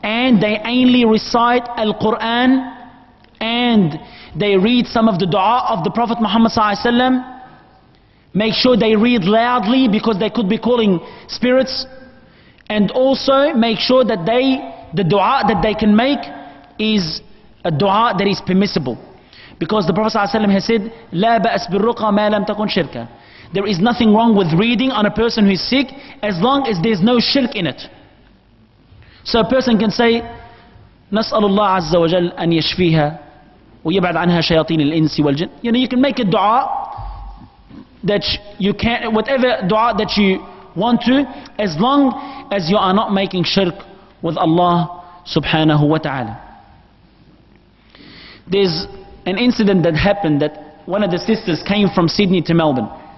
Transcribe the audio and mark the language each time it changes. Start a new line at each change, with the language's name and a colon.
English: And they only recite Al-Quran and they read some of the dua of the Prophet Muhammad sallallahu alayhi wa sallam. Make sure they read loudly because they could be calling spirits. And also make sure that the dua that they can make is a dua that is permissible. Because the Prophet ﷺ has said,
Arabic: لا بأس بالرقى ما لم تكن شركا.
English: There is nothing wrong with reading on a person who is sick as long as there is no shirk in it. So a person can say,
Arabic: نسأل الله عز وجل أن يشفيها ويبعد عنها شياطين الإنس والجن.
English: You know, you can make a dua that you can, whatever dua that you want to, as long as you are not making shirk with Allah subhanahu wa ta'ala. There's an incident that happened that one of the sisters came from Sydney to Melbourne.